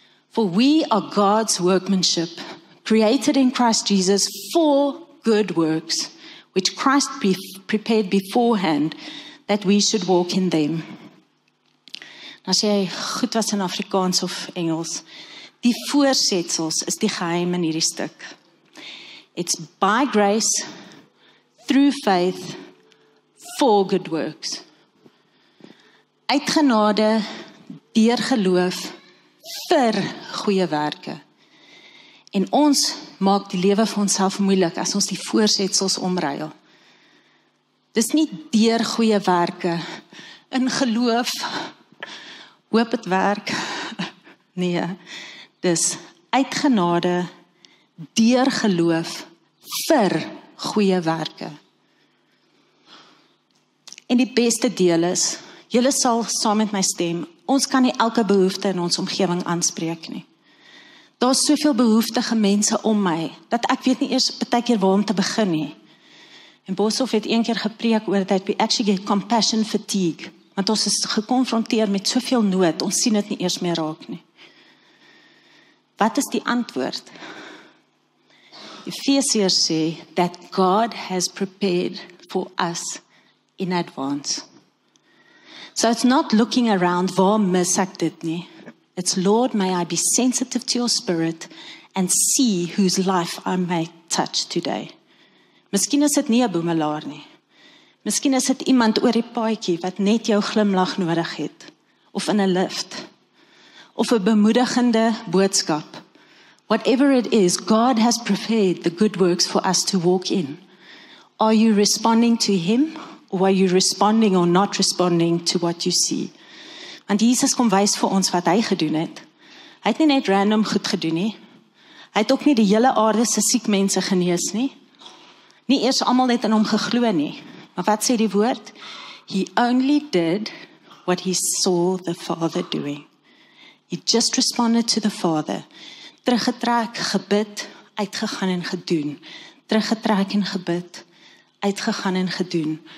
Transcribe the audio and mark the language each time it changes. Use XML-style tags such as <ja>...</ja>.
<en>For we are God's workmanship, created in Christ Jesus for good works, which Christ prepared beforehand, that we should walk in them.</en> <af>Nou sê hy, goed was in Afrikaans of Engels, die voorsetsels is die geheim in hierdie stuk.</af> <en>It's by grace, through faith, for good works.</en> <af>Uit genade, deur geloof, vir goeie werke. En ons maak die lewe vir onsself moeilik as ons die voorsetsels omruil. Dis nie deur goeie werke, in geloof, hoop het werk. Nee, dis uit genade, deur geloof, vir goeie werke. En die beste deel is, julle sal saam met my stem, ons kan nie elke behoefte in ons omgewing aanspreek nie. Daar is soveel behoeftige mense om my, dat ek weet nie eers partykeer waar om te begin nie. En Boshoff het een keer gepreek oor dat</af> <en>we actually get compassion fatigue,</en> <af>want ons is gekonfronteer met soveel nood, ons sien het nie eers meer raak nie. Wat is die antwoord? Efesiërs sê,</af> <en>that God has prepared for us in advance. So it's not looking around,</en> <af>waar mis ek dit nie?</af> <en>It's Lord, may I be sensitive to your spirit and see whose life I may touch today.</en> <af>Miskien is dit nie 'n boemelaar nie. Miskien is dit iemand oor die paadjie wat net jou glimlag nodig het. Of in 'n lift. Of 'n bemoedigende boodskap.</af> <en>Whatever it is, God has prepared the good works for us to walk in. Are you responding to him? Or are you responding or not responding to what you see?</en> <af>Want Jesus kom wys vir ons wat hy gedoen het. Hy het nie net random goed gedoen nie. Hy het ook nie die hele aarde se siek mense genees nie. Nie eers almal net in hom geglo nie. Maar wat sê die woord?</af> <en>He only did what he saw the Father doing. He just responded to the Father.</en> <af>Teruggetrek, gebid, uitgegaan en gedoen. Teruggetrek en gebid, uitgegaan en gedoen.</af>